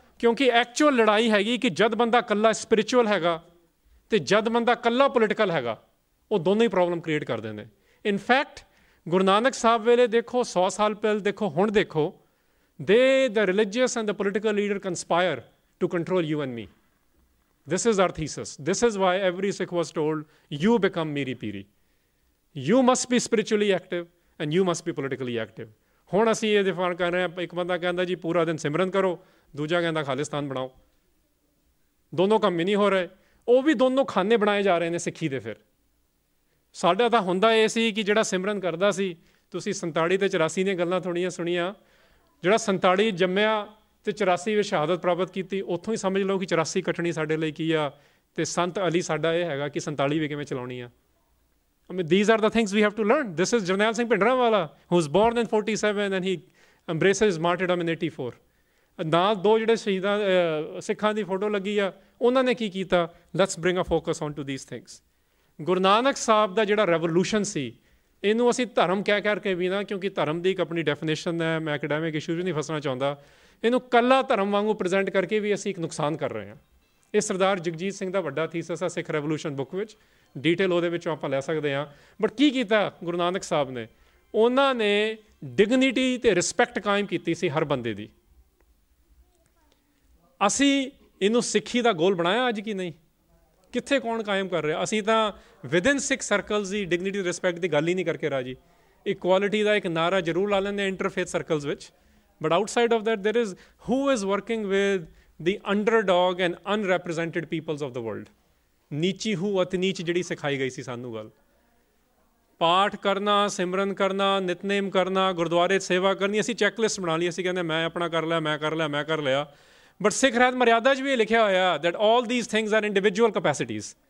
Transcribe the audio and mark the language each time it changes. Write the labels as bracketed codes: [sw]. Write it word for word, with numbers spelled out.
[pa] ਕਿਉਂਕਿ ਐਕਚੁਅਲ ਲੜਾਈ ਹੈਗੀ ਕਿ ਜਦ ਬੰਦਾ ਇਕੱਲਾ ਸਪਿਰਚੁਅਲ ਹੈਗਾ ਅਤੇ ਜਦ ਬੰਦਾ ਇਕੱਲਾ ਪੋਲੀਟੀਕਲ ਹੈਗਾ, ਉਹ ਦੋਨੋਂ ਹੀ ਪ੍ਰੋਬਲਮ ਕ੍ਰੀਏਟ ਕਰਦੇ ਨੇ। ਇਨਫੈਕਟ ਗੁਰੂ ਨਾਨਕ ਸਾਹਿਬ ਵੇਲੇ ਦੇਖੋ, ਸੌ ਸਾਲ ਪਹਿਲ ਦੇਖੋ, ਹੁਣ ਦੇਖੋ, [en] ਦੇ the religious and the political leader conspire to control you and me. This is our thesis. This is why every Sikh was told, you become Miri Piri. You must be spiritually active and you must be politically active. [pa] ਹੁਣ ਅਸੀਂ ਇਹ define ਕਰ ਰਹੇ ਹਾਂ, ਇੱਕ ਬੰਦਾ ਕਹਿੰਦਾ ਜੀ ਪੂਰਾ ਦਿਨ ਸਿਮਰਨ ਕਰੋ, ਦੂਜਾ ਕਹਿੰਦਾ ਖਾਲਿਸਤਾਨ ਬਣਾਓ। ਦੋਨੋਂ ਕੰਮ ਹੀ ਨਹੀਂ ਹੋ ਰਹੇ, ਉਹ ਵੀ ਦੋਨੋਂ ਖਾਨੇ ਬਣਾਏ ਜਾ ਰਹੇ ਨੇ ਸਿੱਖੀ ਦੇ। ਫਿਰ ਸਾਡਾ ਤਾਂ ਹੁੰਦਾ ਇਹ ਸੀ ਕਿ ਜਿਹੜਾ ਸਿਮਰਨ ਕਰਦਾ ਸੀ, ਤੁਸੀਂ ਸੰਤਾਲੀ ਅਤੇ ਚੁਰਾਸੀ ਦੀਆਂ ਗੱਲਾਂ ਥੋੜ੍ਹੀਆਂ ਸੁਣੀਆਂ, ਜਿਹੜਾ ਸੰਤਾਲੀ ਜੰਮਿਆ ਅਤੇ ਚੁਰਾਸੀ ਵਿੱਚ ਸ਼ਹਾਦਤ ਪ੍ਰਾਪਤ ਕੀਤੀ, ਉੱਥੋਂ ਹੀ ਸਮਝ ਲਓ ਕਿ ਚੁਰਾਸੀ ਕੱਟਣੀ ਸਾਡੇ ਲਈ ਕੀ ਆ, ਅਤੇ ਸੰਤ ਅਲੀ ਸਾਡਾ ਇਹ ਹੈਗਾ ਕਿ ਸੰਤਾਲੀ ਵੀ ਕਿਵੇਂ ਚਲਾਉਣੀ ਆ। [en] I mean, these are the things we have to learn. This is Jarnail Singh Bhindranwala, who was born in forty-seven and he embraces martyrdom in eighty-four. [pa] ਨਾਲ ਦੋ ਜਿਹੜੇ ਸ਼ਹੀਦਾਂ ਸਿੱਖਾਂ ਦੀ ਫੋਟੋ ਲੱਗੀ ਆ, ਉਹਨਾਂ ਨੇ ਕੀ ਕੀਤਾ? [en] Let's bring a focus on to these things. [pa] Guru Nanak Sahib ਦਾ ਜਿਹੜਾ ਰੈਵੋਲੂਸ਼ਨ ਸੀ, ਇਹਨੂੰ ਅਸੀਂ ਧਰਮ ਕਹਿ ਕਰਕੇ ਵੀ ਨਾ, ਕਿਉਂਕਿ ਧਰਮ ਦੀ ਇੱਕ ਆਪਣੀ ਡੈਫੀਨੇਸ਼ਨ ਹੈ, ਮੈਂ ਅਕੈਡੈਮਿਕ ਇਸ਼ੂ 'ਚ ਨਹੀਂ ਫਸਣਾ ਚਾਹੁੰਦਾ, ਇਹਨੂੰ ਇਕੱਲਾ ਧਰਮ ਵਾਂਗੂ ਪ੍ਰੈਜ਼ੈਂਟ ਕਰਕੇ ਵੀ ਅਸੀਂ ਇੱਕ ਨੁਕਸਾਨ ਕਰ ਰਹੇ ਹਾਂ। ਇਹ ਸਰਦਾਰ ਜਗਜੀਤ ਸਿੰਘ ਦਾ ਵੱਡਾ ਥੀਸਸ ਆ ਸਿੱਖ ਰੈਵੋਲੂਸ਼ਨ ਬੁੱਕ ਵਿੱਚ, ਡੀਟੇਲ ਉਹਦੇ ਵਿੱਚੋਂ ਆਪਾਂ ਲੈ ਸਕਦੇ ਹਾਂ। ਬਟ ਕੀ ਕੀਤਾ ਗੁਰੂ ਨਾਨਕ ਸਾਹਿਬ ਨੇ? ਉਹਨਾਂ ਨੇ ਡਿਗਨਿਟੀ ਅਤੇ ਰਿਸਪੈਕਟ ਕਾਇਮ ਕੀਤੀ ਸੀ ਹਰ ਬੰਦੇ ਦੀ। ਅਸੀਂ ਇਹਨੂੰ ਸਿੱਖੀ ਦਾ ਗੋਲ ਬਣਾਇਆ ਅੱਜ ਕਿ ਨਹੀਂ? ਕਿੱਥੇ ਕੌਣ ਕਾਇਮ ਕਰ ਰਿਹਾ? ਅਸੀਂ ਤਾਂ ਵਿਦਇਨ ਸਿੱਖ ਸਰਕਲਸ ਦੀ ਡਿਗਨਿਟੀ ਰਿਸਪੈਕਟ ਦੀ ਗੱਲ ਹੀ ਨਹੀਂ ਕਰਕੇ ਰਾਜੀ। ਇਕੁਐਲਿਟੀ ਦਾ ਇੱਕ ਨਾਅਰਾ ਜ਼ਰੂਰ ਲਾ ਲੈਂਦੇ ਇੰਟਰਫੇਥ ਸਰਕਲਸ ਵਿੱਚ, [en] but outside of that there is who is working with the underdog and unrepresented peoples of the world. [pa] ਨੀਚੀ ਹੂ ਅਤਿ ਨੀਚ ਜਿਹੜੀ ਸਿਖਾਈ ਗਈ ਸੀ ਸਾਨੂੰ ਗੱਲ, ਪਾਠ ਕਰਨਾ, ਸਿਮਰਨ ਕਰਨਾ, ਨਿਤਨੇਮ ਕਰਨਾ, ਗੁਰਦੁਆਰੇ ਸੇਵਾ ਕਰਨੀ, ਅਸੀਂ ਚੈੱਕਲਿਸਟ ਬਣਾ ਲਈ, ਅਸੀਂ ਕਹਿੰਦੇ ਮੈਂ ਆਪਣਾ ਕਰ ਲਿਆ, ਮੈਂ ਕਰ ਲਿਆ, ਮੈਂ ਕਰ ਲਿਆ। ਬਟ ਸਿੱਖ ਰਹਿਤ ਮਰਿਆਦਾ 'ਚ ਵੀ ਇਹ ਲਿਖਿਆ ਹੋਇਆ [en] That all these things are individual capacities.